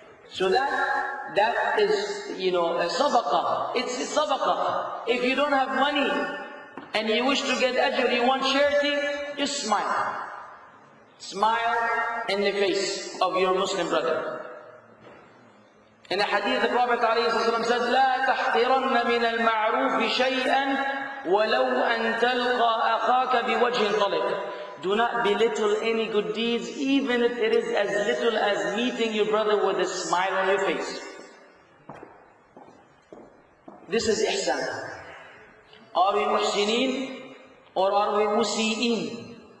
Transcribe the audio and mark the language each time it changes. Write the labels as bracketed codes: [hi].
[en] So that is, you know, a sadaqah. It's a sadaqah. If you don't have money and you wish to get ajr, you want charity, just smile. Smile in the face of your Muslim brother. In the hadith, the Prophet ﷺ said, [ar] لا تحقرن من المعروف شيئا ولو أن تلقى أخاك بوجه طلق. [en] Do not belittle any good deeds, even if it is as little as meeting your brother with a smile on your face. This is ihsan. Are we muhsineen or are we musi'een?